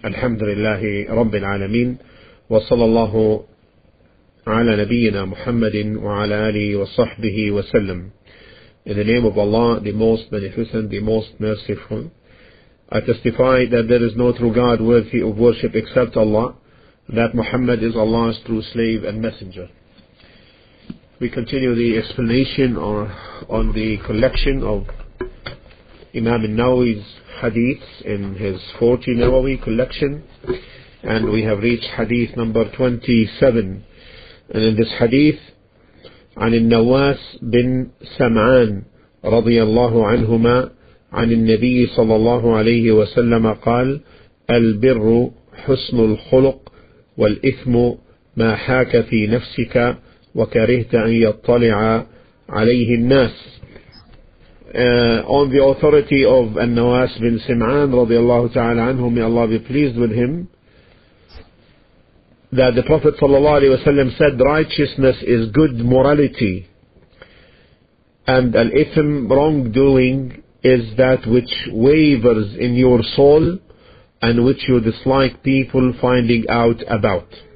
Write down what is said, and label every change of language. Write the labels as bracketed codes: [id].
[ar] الحمد لله رب العالمين، وصلى الله على نبينا محمد وعلى آله وصحبه وسلم. [en] In the name of Allah, the most beneficent, the most merciful, I testify that there is no true God worthy of worship except Allah, that Muhammad is Allah's true slave and messenger. We continue the explanation on the collection of Imam al-Nawawi's hadiths in his 40 Nawawi collection, and we have reached hadith number 27. And in this hadith, [ar] عن النواس بن سمعان رضي الله عنهما عن النبي صلى الله عليه وسلم قال البر حسن الخلق والإثم ما حاك في نفسك وكرهت أن يطلع عليه الناس. [en] On the authority of An-Nawas bin Sim'an radiallahu ta'ala anhu, may Allah be pleased with him, that the Prophet sallallahu alayhi wasallam said, righteousness is good morality, and al-ithm, wrongdoing, is that which wavers in your soul and which you dislike people finding out about.